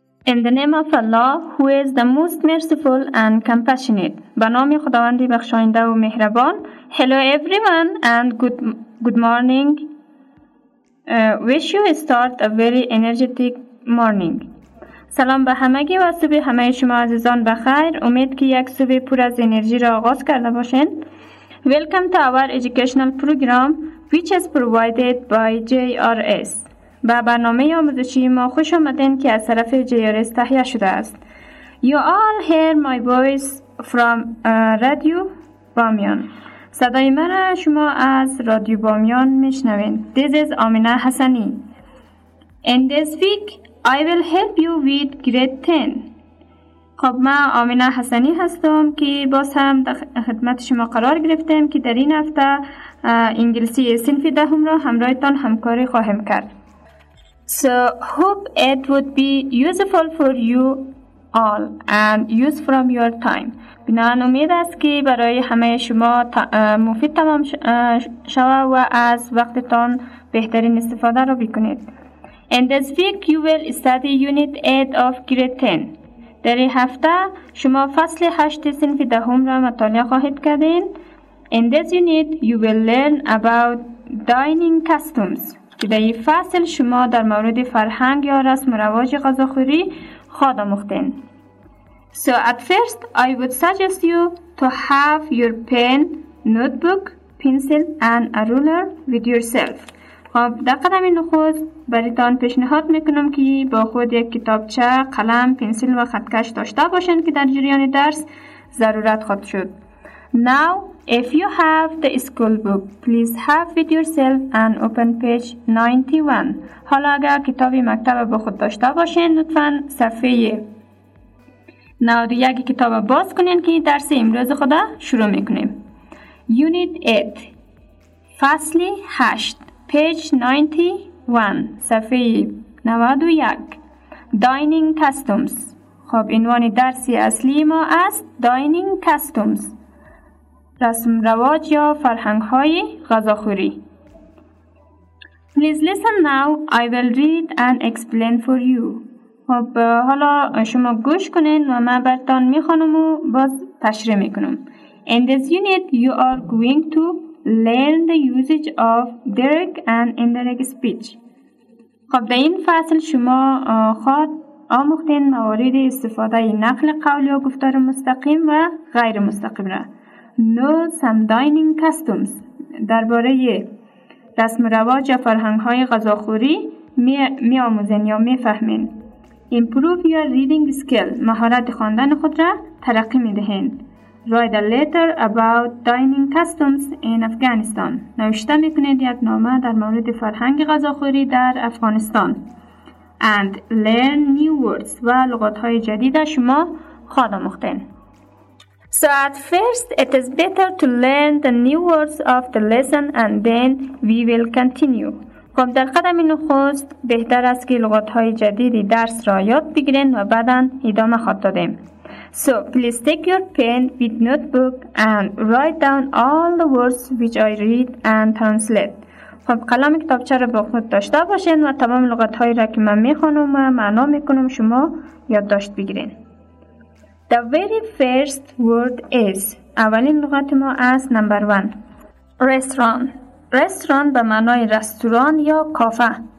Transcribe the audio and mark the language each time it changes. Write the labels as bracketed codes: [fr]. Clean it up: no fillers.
[en] In the name of Allah, who is the most merciful and compassionate. [fa] بنام خداوند بخشاینده و مهربان. [en] Hello everyone and good morning. Wish you start a very energetic morning. [fa] سلام به همگی و صبح همه شما عزیزان بخیر. امید که یک صبح پر از انرژی را آغاز کرده باشین. [en] Welcome to our educational program which is provided by JRS. [fa] با برنامه آموزشی ما خوش آمدین که از طرف JRS تهیه شده است. [en] You all hear my voice from Radio Bamyan. [fa] صدای من شما از رادیو بامیان میشنوین. [en] This is Amina Hassani. In this week, I will help you with grade 10. [fa] خب من آمینه حسنی هستم که باز هم در خدمت شما قرار گرفتم که در این هفته انگلیسی صنف دهم را همراهتان همکاری خواهم کرد. [en] So hope it would be useful for you all and use from your time. [fa] بنان امید است که برای همه شما مفید تمام شوه و از وقتتان بهترین استفاده را بکنید. [en] In this week you will study unit 8 of grade 10. [fa] در این هفته شما فصل 8 صنف دهم را مطالعه خواهید کردین. [en] In this unit you will learn about dining customs. [fa] که در این فصل شما در مورد فرهنگ یا رسم و رواج غذاخوری خواهد آموختین. [en] So at first I would suggest you to have your pen, notebook, pencil and a ruler with yourself. [fa] خب در قدم نخود برایتان پیشنهاد میکنم که با خود یک کتابچه، قلم، پنسل و خطکش داشته باشین که در جریان درس ضرورت خواهد شد. [en] Now, if you have the school book, please have with yourself and open page 91. [fa] حالا اگر کتابی مکتب با خود داشته باشین لطفاً صفحه Now, یک کتاب باز کنین که درس امروز خود شروع میکنیم. [en] Unit 8 [fa] فصل 8 [en] Page 91 [fa] صفحه 91 [en] Dining Customs. [fa] خب عنوان درس اصلی ما است Dining Customs. رسم رواج یا فرهنگ های غذاخوری. [en] Please listen now. I will read and explain for you. [fa] خب حالا شما گوش کنین و من براتون میخونم و باز تشریح میکنم. [en] In this unit you are going to learn the usage of direct and indirect speech. [fa] خب در این فصل شما خواهد آموختین موارد استفاده نقل قول یا گفتار مستقیم و غیر مستقیم را. [en] Know some dining customs. [fa] درباره رسم و رواج و فرهنگ های غذاخوری می آموزین یا می فهمین. [en] Improve your reading skill. [fa] مهارت خواندن خود را ترقی می دهین. [en] Write a letter about dining customs in Afghanistan. [fa] نوشته میکنید یک نامه در مورد فرهنگ غذاخوری در افغانستان. [en] And learn new words. [fa] و لغات‌های جدید شما خواهد آموختین. [en] So at first it is better to learn the new words of the lesson and then we will continue. [fa] خب در قدم نخست بهتر است که لغات‌های جدیدی درس را یاد بگیرین و بعداً ادامه خواهد دادیم. [en] So please take your pen with notebook and write down all the words which I read and translate. [fa] خب قلم کتابچه را با خود داشته باشین و تمام لغت هایی را که من میخونم و معنا میکنم شما یادداشت بگیرین. [en] The very first word is. [fa] اولین لغت ما از نمبر 1. [en] Restaurant. [fa] Restaurant به معنای رستوران یا کافه.